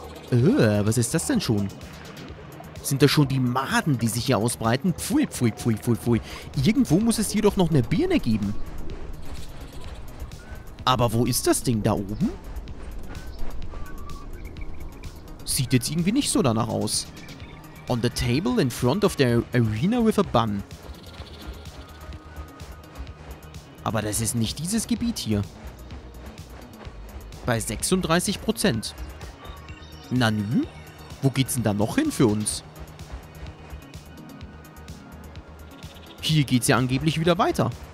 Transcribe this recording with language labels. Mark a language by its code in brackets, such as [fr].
[de] was ist das denn schon? Sind das schon die Maden, die sich hier ausbreiten? Pfui, pfui, pfui, pfui, pfui. Irgendwo muss es hier doch noch eine Birne geben. Aber wo ist das Ding da oben? Sieht jetzt irgendwie nicht so danach aus. [en] On the table in front of the arena with a bun. [de] Aber das ist nicht dieses Gebiet hier. Bei 36%. Na nü? Wo geht's denn da noch hin für uns? Hier geht's ja angeblich wieder weiter.